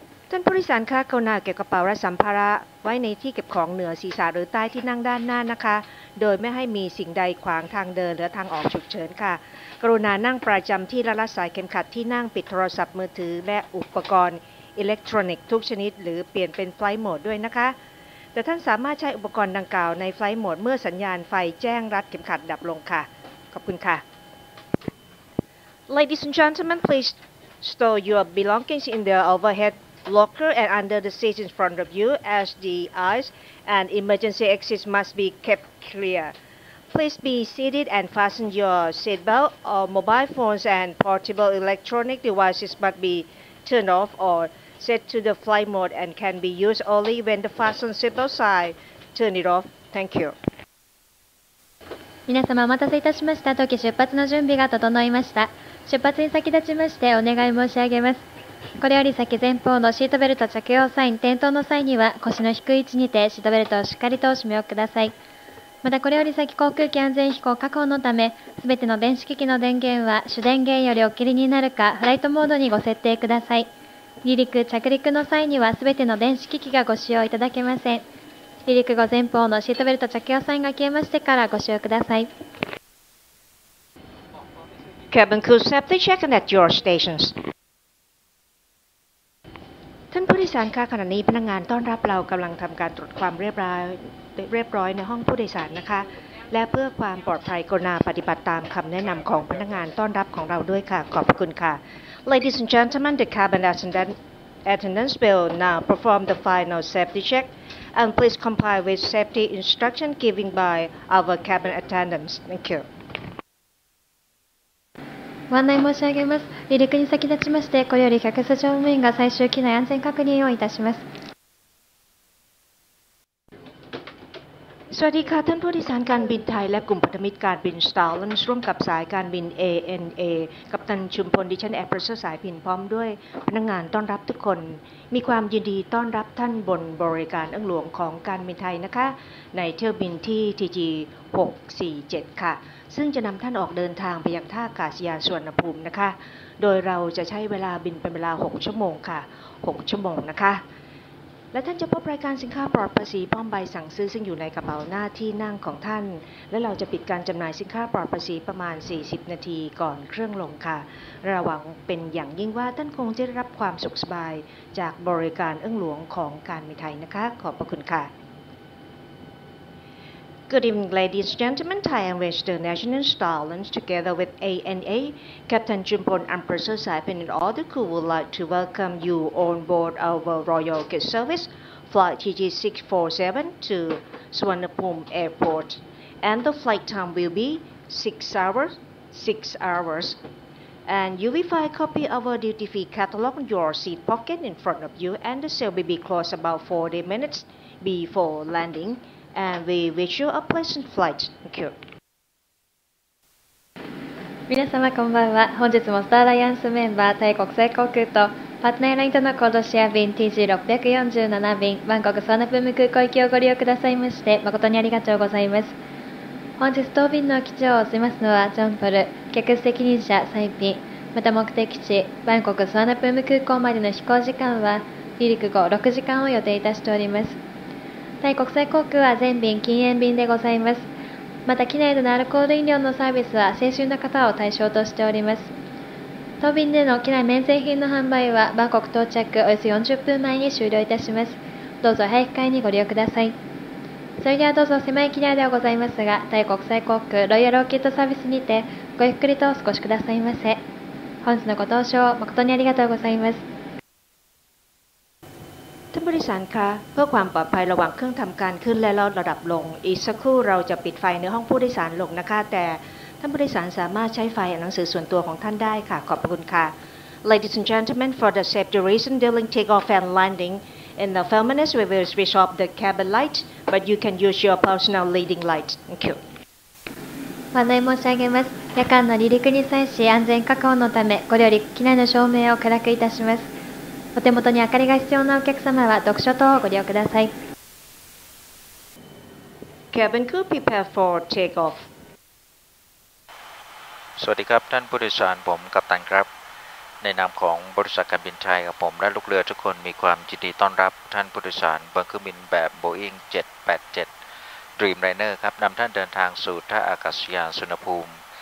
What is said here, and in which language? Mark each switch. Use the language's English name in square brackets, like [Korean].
[Thai] ท่านผู้โดยสารคะกรุณาเก็บกระเป๋าและสัมภาระไว้ในที่เก็บของเหนือศีรษะหรือใต้ที่นั่งด้านหน้านะคะโดยไม่ให้มีสิ่งใดขวางทางเดินหรือทางออกฉุกเฉินค่ะกรุณานั่งประจำที่และรัดสายเข็มขัดที่นั่งปิดโทรศัพท์มือถือและอุปกรณ์อิเล็กทรอนิกส์ทุกชนิดหรือเปลี่ยนเป็นไฟล์โหมดด้วยนะคะแต่ท่านสามารถใช้อุปกรณ์ดังกล่าวในไฟล์โหมดเมื่อสัญญาณไฟแจ้งรัดเข็มขัดดับลงค่ะขอบคุณค่ะ [English] Ladies and gentlemen, please store your belongings in the overhead locker and under the seats in front of you as the aisles and emergency exits must be kept clear. Please be seated and fasten your seat belt or mobile phones and portable electronic devices must beturn off or set to the flight mode and can be used only when the fasten seatbelt sign turn it off. Thank you. [Japanese] 皆様お待たせいたしました。当機出発の準備が整いました。出発に先立ちましてお願い申し上げます。これより先前方のシートベルト着用サイン点灯の際には腰の低い位置にてシートベルトをしっかりとお締めください。またこれより先航空機安全飛行確保のため、すべての電子機器の電源は主電源よりお切りになるかフライトモードにご設定ください。離陸・着陸の際にはすべての電子機器がご使用いただけません。離陸後前方のシートベルト着用サインが消えましてからご使用ください。 [English] Cabin crew safety check at your stations. [Thai] ท่านผู้โดยสารคะขณะนี้พนักงานต้อนรับเรากำลังทำการตรวจความเรียบร้อยในห้องผู้โดยสารนะคะและเพื่อความปลอดภัยกรุณาปฏิบัติตามคำแนะนำของพนักงานต้อนรับของเราด้วยค่ะขอบคุณค่ะ [English] Ladies and gentlemen, the cabin attendants will now perform the final safety check and please comply with safety instruction given by our cabin attendants. Thank you. [Japanese] ご案内申し上げます。離陸に先立ちましてこれより客室乗務員が最終機内安全確認をいたします。 [Thai] สวัสดีค่ะท่านผู้โดยสารการบินไทยและกลุ่มพันธมิตรการบินสตาร์ลันช์ร่วมกับสายการบิน ANA กัปตันชุมพลดิฉันแอร์เพรสเซอร์สายพินพร้อมด้วยพนักงานต้อนรับทุกคนมีความยินดีต้อนรับท่านบนบริการเอื้องหลวงของการบินไทยนะคะในเที่ยวบินที่ TG647 ค่ะซึ่งจะนำท่านออกเดินทางไปยังท่าอากาศยานสุวรรณภูมินะคะโดยเราจะใช้เวลาบินเป็นเวลา6ชั่วโมงค่ะ6ชั่วโมงนะคะ และท่านจะพบรายการสินค้าปลอดภาษีพร้อมใบสั่งซื้อซึ่งอยู่ในกระเป๋าหน้าที่นั่งของท่านและเราจะปิดการจำหน่ายสินค้าปลอดภาษีประมาณ40นาทีก่อนเครื่องลงค่ะระวังเป็นอย่างยิ่งว่าท่านคงจะได้รับความสุขสบายจากบริการเอื้องหลวงของการบินไทยนะคะขอบพระคุณค่ะ [English] Good evening ladies and gentlemen, Thai Airways International Star Alliance together with ANA, Captain Chumpon and Purser Saipan and all the crew would like to welcome you on board our Royal Guest Service flight TG647 to Suvarnabhumi Airport and the flight time will be 6 hours and you will find a copy of our duty-free catalog in your seat pocket in front of you and the sale will be closed about 40 minutes before landingAnd we wish you a pleasant flight. Thank you. [Japanese] 皆様こんばんは。本日もスターアライアンスメンバー、タイ国際航空とパートナーエアラインとのコードシェア便 TG647 便、バンコクスワナプーム空港行きをご利用くださいまして、誠にありがとうございます。本日当便の機長を務めますのはジョンポル、客室責任者サイピン、また目的地バンコクスワナプーム空港までの飛行時間は離陸後6時間を予定いたしております。タイ国際航空は全便禁煙便でございます。また機内でのアルコール飲料のサービスは青春の方を対象としております。当便での機内免税品の販売はバンコク到着およそ40分前に終了いたします。どうぞ早く会にご利用ください。それではどうぞ狭い機内ではございますが、タイ国際航空ロイヤルオーキッドサービスにてごゆっくりとお過ごしくださいませ。本日のご搭乗誠にありがとうございます。 [Thai] ท่านผู้โดยสารคะเพื่อความปลอดภัยระหว่างเครื่องทำการขึ้นและลดระดับลงอีกสักครู่เราจะปิดไฟในห้องผู้โดยสารลงนะคะแต่ท่านผู้โดยสารสามารถใช้ไฟอ่านหนังสือส่วนตัวของท่านได้ค่ะขอบคุณค่ะ Ladies and gentlemen, for the safety reason during takeoff and landing in the Feminist, we will switch off the cabin light, but you can use your personal leading light. [English] Thank you. [Japanese] ご案内申し上げます。夜間の離陸に際し安全確保のため、これより機内の照明を暗くいたします。お手元に明かりが必要なお客様は読書等をご利用ください。 [English] Cabin crew, prepare for takeoff. [Thai] สวัสดีครับท่านผู้โดยสารผมกัปตันครับในนามของบริษัทการบินไทยกับผมและลูกเรือทุกคนมีความยินดีต้อนรับท่านผู้โดยสารบนเครื่องบินแบบ Boeing 787 Dreamliner ครับนำท่านเดินทางสู่ท่าอากาศยานสุวรรณภูมิ